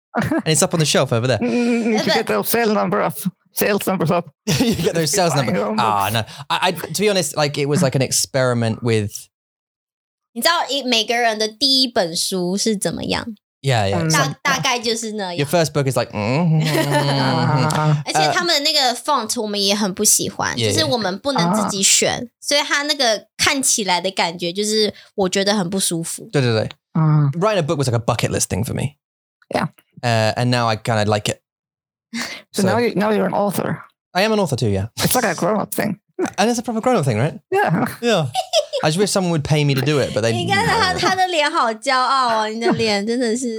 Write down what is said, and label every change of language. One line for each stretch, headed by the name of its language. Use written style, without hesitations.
English: And it's up on the shelf over there. You get those sales numbers up. You get those sales numbers. Ah, no. I, to be honest, like it was like an experiment with... You know, everyone's first book is how it is. Yeah, yeah.
Chinese: 大概就是那样。
English: Your first book is like,
Chinese: 而且他们的那个 font 我们也很不喜欢，就是我们不能自己选，所以他那个看起来的感觉就是我觉得很不舒服。对对对。
English: Writing a book was like a bucket list thing for me. Yeah. And now I kind of like it. So now you're an author. I am an author too, yeah. It's like a grown-up thing. And it's a proper grown-up thing, right? Yeah. Yeah. I just wish someone would pay me to do it, but they...
Chinese: 你看他他的脸好骄傲哦，你的脸真的是。